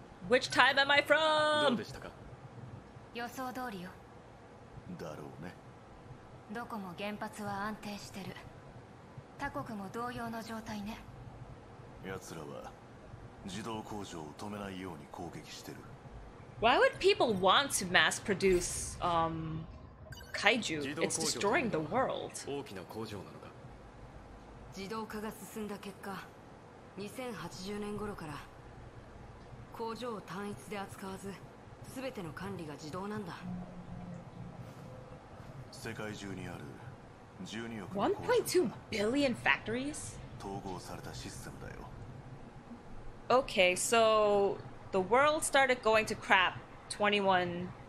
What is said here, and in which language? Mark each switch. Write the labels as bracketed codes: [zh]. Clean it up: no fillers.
[en] Which time am I from? [ja] どうでしたか？予想通りよ。だろうね。どこも原発は安定してる。他国も同様の状態ね。奴らは自動工場を止めないように攻撃してる。 [en] Why would people want to mass produce, kaiju? It's destroying the world. [ja] 大きな工場なのか。自動化が進んだ結果、2080年頃から工場を単一で扱わず、すべての管理が自動なんだ。世界中にある12億の工場。 [en] 1.2 billion factories? [ja] 統合されたシステムだよ。 [en] Okay, so the world started going to crap 2080.